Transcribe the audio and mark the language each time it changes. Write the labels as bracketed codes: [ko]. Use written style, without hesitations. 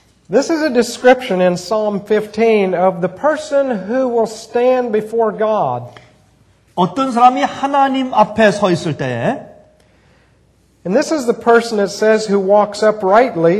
[en] This is a description in Psalm 15 of the person who will stand before God. [ko] 어떤 사람이 하나님 앞에 서 있을 때에 [en] And this is the person it says who walks uprightly.